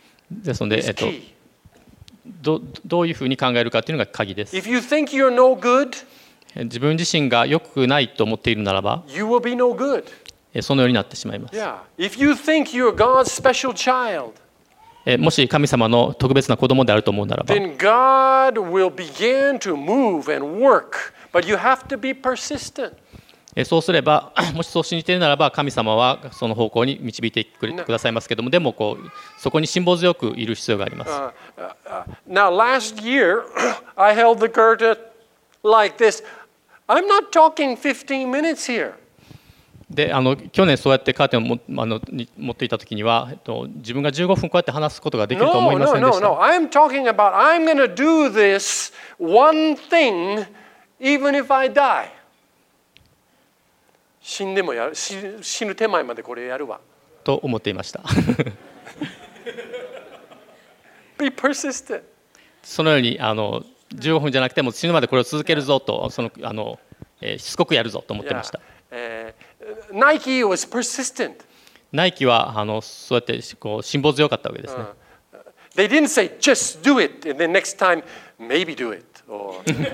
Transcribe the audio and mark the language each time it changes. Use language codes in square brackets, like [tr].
[ja] ですので、どういうふうに考えるかというのが鍵です。 [en] If you think you're no good, [ja] 自分自身が良くないと思っているならば、 [en] you will be no good. [ja] そのようになってしまいます。 [en] Yeah. If you think you're God's special child, [ja] もし神様の特別な子供であると思うならば、 [en] then God will begin to move and work, but you have to be persistent. [ja] そうすれば、もしそう信じているならば、神様はその方向に導いてくださいますけども、でもこうそこに辛抱強くいる必要があります。 [en] Now, last year, I held the curtain like this. I'm not talking 15 minutes here. [ja] で、去年そうやってカーテンを持っていたときには、自分が15分こうやって話すことができると思いませんでした。 [en] No, no, no, no. I'm talking about I'm going to do this one thing even if I die. [ja] 死んでもやる、死ぬ手前までこれやるわと思っていました。 [en] Be persistent. [ja] そのように15分じゃなくても死ぬまでこれを続けるぞと、しつこくやるぞと思っていました。 [en] Nike was persistent. [ja] Nike はそうやってこう辛抱強かったわけですね。 [en] They didn't say just do it and then next time maybe do itWait.